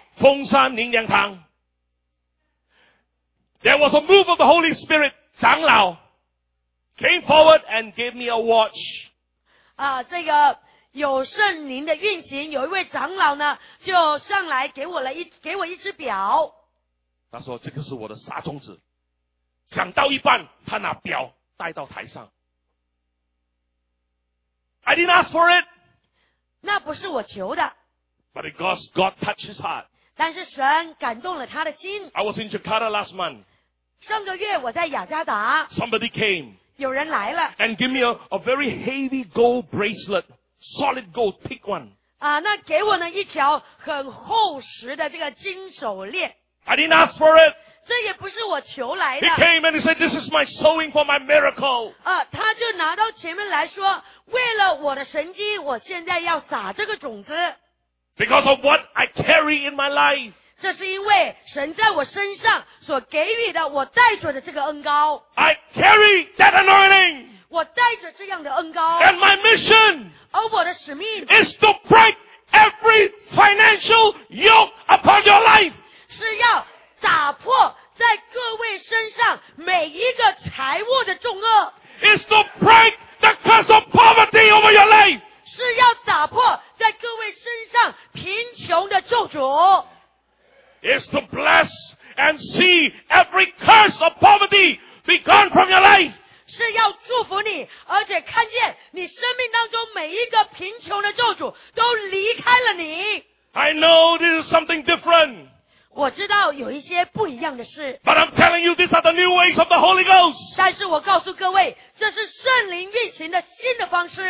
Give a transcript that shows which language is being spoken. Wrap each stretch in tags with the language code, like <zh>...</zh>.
<en>峰山宁良堂， there was a move of the Holy Spirit. 长老 came forward and gave me a watch.</en> <zh>这个有圣灵的运行，有一位长老呢，就上来给我一只表。他说这个是我的杀种子，讲到一半他拿表带到台上。</zh> <en>I didn't ask for it,</en> <zh>那不是我求的。</zh> <en>But it got, God touched his heart,</en> <zh>但是神感动了他的心。</zh> <en>I was in Jakarta last month,</en> <zh>上个月我在雅加达。</zh> <en>Somebody came,</en> <zh>有人来了。</zh> <en>And give me a very heavy gold bracelet, solid gold, thick one,</en> <zh>那给我呢一条很厚实的这个金手链。</zh> <en>I didn't ask for it.</en> <zh>这也不是我求来的。</zh> <en>He came and he said, "This is my sowing for my miracle."</en> <zh>他就拿到前面来说，为了我的神迹，我现在要撒这个种子。</zh> <en>Because of what I carry in my life.</en> <zh>这是因为神在我身上所给予的，我带着的这个恩膏。</zh> <en>I carry that anointing.</en> <zh>我带着这样的恩膏。</zh> <en>And my mission.</en> <zh>而我的使命</zh> <en>is to break every financial yoke upon your life.</en> <zh>是要打破在各位身上每一个财务的重轭。</zh> <en>It's to break the curse of poverty over your life.</en> <zh>是要打破在各位身上贫穷的咒诅。</zh> <en>It's to bless and see every curse of poverty be gone from your life.</en> <zh>是要祝福你，而且看见你生命当中每一个贫穷的咒诅都离开了你。</zh> <en>I know this is something different.</en> <zh>我知道有一些不一样的事。</zh> <en>But I'm telling you, these are the new ways of the Holy Ghost.</en> <zh>但是我告诉各位，这是圣灵运行的新的方式。</zh>